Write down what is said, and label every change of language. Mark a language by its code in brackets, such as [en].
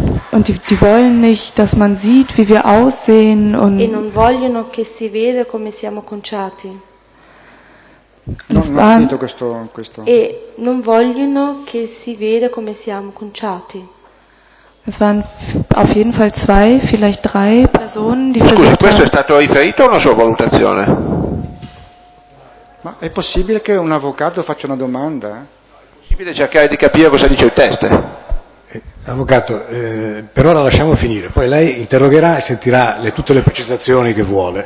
[de] Und die wollen nicht, dass man sieht, wie wir aussehen und. [it] E non vogliono che si veda come siamo conciati. E non vogliono che si veda come siamo conciati. [de] Es waren auf jeden Fall zwei, vielleicht drei Personen, die versucht haben. [it] Questo è stato riferito a una sua valutazione? Ma è possibile che un avvocato faccia una domanda? È possibile cercare di capire cosa dice il test? Avvocato, per ora lasciamo finire, poi lei interrogherà e sentirà tutte le precisazioni che vuole.